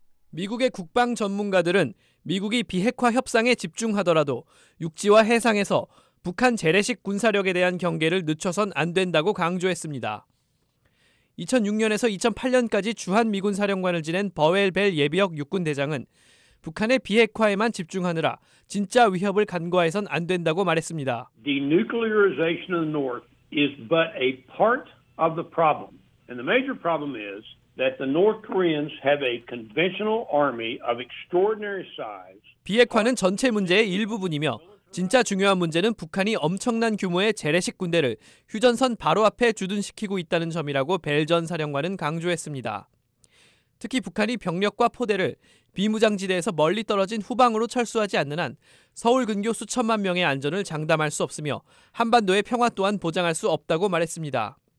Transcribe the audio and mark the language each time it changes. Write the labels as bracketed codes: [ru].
[ko] 미국의 국방 전문가들은 미국이 비핵화 협상에 집중하더라도 육지와 해상에서 북한 재래식 군사력에 대한 경계를 늦춰선 안 된다고 강조했습니다. 2006년에서 2008년까지 주한미군 사령관을 지낸 버웰 벨 예비역 육군대장은 북한의 비핵화에만 집중하느라 진짜 위협을 간과해선 안 된다고 말했습니다. [en] The nuclearization of the North is but a part of the problem. And the major problem is that the North Koreans have a conventional army of extraordinary size. [ko] 비핵화는 전체 문제의 일부분이며 진짜 중요한 문제는 북한이 엄청난 규모의 재래식 군대를 휴전선 바로 앞에 주둔시키고 있다는 점이라고 벨 전 사령관은 강조했습니다. 특히 북한이 병력과 포대를 비무장지대에서 멀리 떨어진 후방으로 철수하지 않는 한 서울 근교 수천만 명의 안전을 장담할 수 없으며 한반도의 평화 또한 보장할 수 없다고 말했습니다.